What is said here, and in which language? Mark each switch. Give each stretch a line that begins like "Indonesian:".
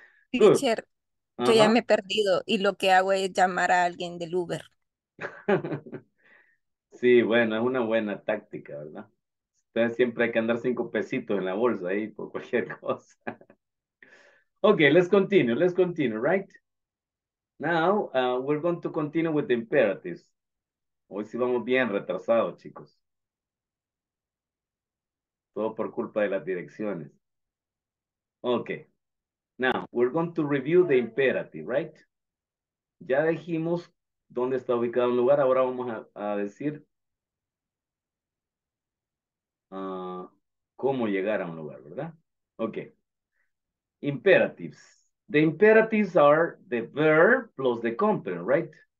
Spanish: Teacher, yo ya me he perdido y lo que hago es llamar a alguien del Uber. Sí, bueno, es una buena táctica, ¿verdad? Entonces siempre hay que andar 5 pesitos en la bolsa ahí por cualquier cosa.
English: Ok, let's continue, right? Now, we're going to continue with the imperatives.
Spanish: Hoy sí vamos bien retrasados, chicos. Todo por culpa de las direcciones. Ok.
English: Now, we're going to review the imperative, right?
Spanish: Ya dijimos dónde está ubicado un lugar. Ahora vamos a decir cómo llegar a un lugar, ¿verdad?
English: Ok. Imperatives. The imperatives are the verb plus the complement, right?